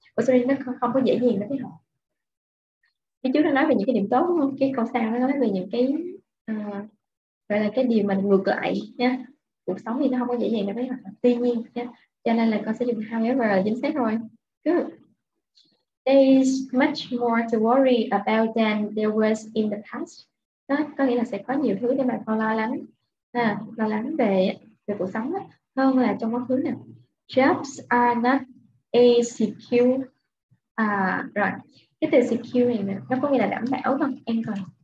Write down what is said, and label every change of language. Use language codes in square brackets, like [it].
[vi] Và sau đây nó không có dễ dàng đối với họ. Cái chú nó nói về những cái điểm tốt đúng không? Cái câu sau nó nói về những cái gọi là cái điều mà ngược lại nha. Cuộc sống thì nó không có dễ dàng đối với họ. Tuy nhiên nha. Cho nên là con sẽ dùng however chính xác rồi. [en] Good. There is much more to worry about than there was in the past. [vi] Đó, có nghĩa là sẽ có nhiều thứ để mà con lo lắng. Lo lắng về cuộc sống đó, hơn là trong quá khứ nè. [en] Jobs are not a secure. [vi] À, rồi. Cái từ secure này nè, nó có nghĩa là đảm bảo không? An toàn.